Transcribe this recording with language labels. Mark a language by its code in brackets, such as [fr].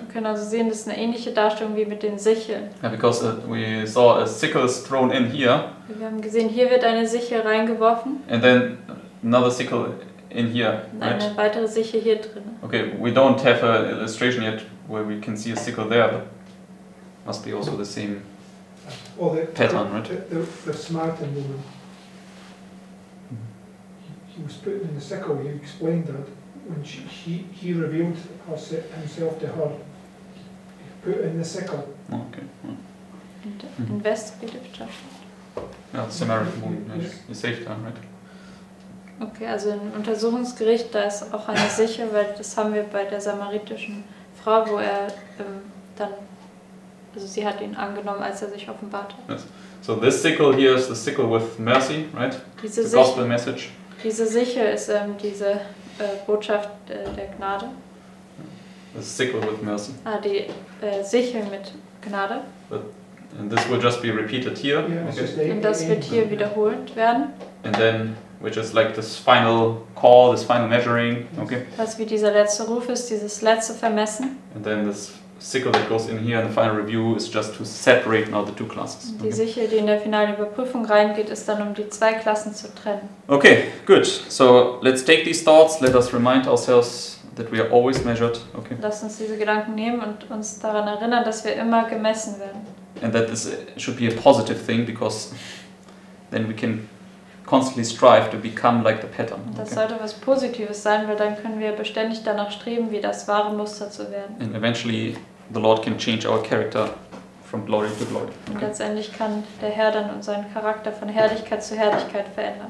[de] Wir können also sehen, das ist eine ähnliche Darstellung wie mit den Sicheln. [en] Yeah, because we saw a sickle is thrown in here. [de] Wir haben gesehen, hier wird eine Sichel reingeworfen. [en] And then another sickle in here, [de] eine [en] right? [de] Eine weitere Sichel hier drin. [en] Okay, we don't have an illustration yet where we can see a sickle there, but must be also the same pattern, right? The Samaritan woman, he was put in the sickle. He explained that when he revealed himself to her, he put in the sickle. Okay. And investigative judgment. Yeah, the Samaritan woman, yes. He saved her, right? [de] Okay, also im Untersuchungsgericht, da ist auch eine Sichel, weil das haben wir bei der samaritischen Frau, wo er dann, also sie hat ihn angenommen, als er sich offenbart hat. [en] Yes. So this sickle here is the sickle with mercy, right? [de] Diese [en] the gospel message. [de] Diese Sichel ist diese Botschaft der Gnade. [en] The sickle with mercy. [de] Ah, die Sichel mit Gnade. [en] And this will just be repeated here. Yeah, [de] und das wird hier wiederholt werden. [en] And then which is like this final call, this final measuring, okay? [de] Das wie dieser letzte Ruf ist, dieses letzte Vermessen. [en] And then this sickle that goes in here in the final review is just to separate now the two classes. Okay. [de] Die Sichel, die in der finalen Überprüfung reingeht, ist dann, um die zwei Klassen zu trennen. [en] Okay, good. So let's take these thoughts. Let us remind ourselves that we are always measured. Okay. [de] Lass uns diese Gedanken nehmen und uns daran erinnern, dass wir immer gemessen werden. [en] And that this should be a positive thing, because then we can constantly strive to become like the pattern. [de] Das okay. sollte was Positives sein, weil dann können wir beständig danach streben, wie das wahre Muster zu werden. [en] And eventually the Lord can change our character from glory to glory. Okay. [de] Und letztendlich kann der Herr dann unseren Charakter von Herrlichkeit zu Herrlichkeit verändern.